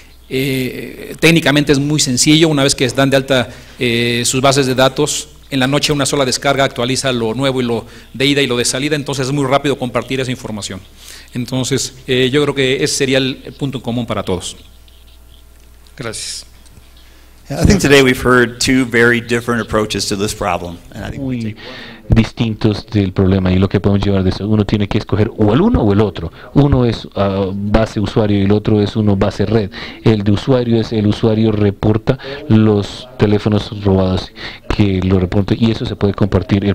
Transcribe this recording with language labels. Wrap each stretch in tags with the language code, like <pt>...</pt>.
<es>Técnicamente es muy sencillo, una vez que dan de alta sus bases de datos, en la noche una sola descarga actualiza lo nuevo y lo de ida y lo de salida, entonces es muy rápido compartir esa información. Entonces, yo creo que ese sería el punto en común para todos. Gracias.</es> <en>I think today we've heard two very different approaches to this problem.</en> <es>Muy distintos del problema, y lo que podemos llevar de eso, uno tiene que escoger o el uno o el otro. Uno es base usuario y el otro es uno base red. El de usuario es el usuario reporta los teléfonos robados, que lo reporta, y eso se puede compartir.</es>